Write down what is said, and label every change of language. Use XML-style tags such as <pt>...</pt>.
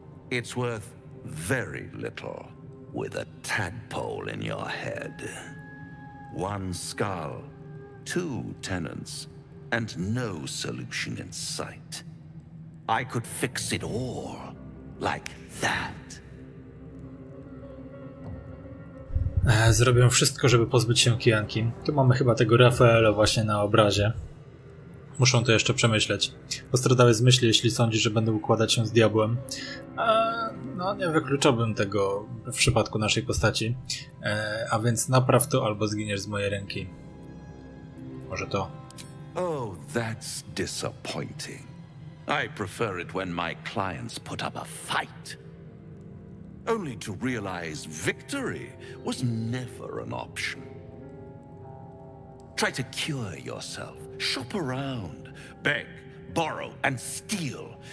<en>It's worth very little with a tadpole in your head. One skull, two tenants, and no solution in sight. I could fix it all like that.</en> <pl>Zrobię wszystko, żeby pozbyć się Kianki. Tu mamy chyba tego Rafaela właśnie na obrazie. Muszą to jeszcze przemyśleć. Postradałeś z myśli, jeśli sądzisz, że będę układać się z diabłem. No, nie wykluczałbym tego w przypadku naszej postaci. A więc napraw to, albo zginiesz z mojej ręki. Może to.</pl> <en>Oh, that's disappointing. I prefer it when my clients put up a fight. Only to realize victory was never an option. Try to cure yourself. Shop around, beg, borrow, and steal.</en>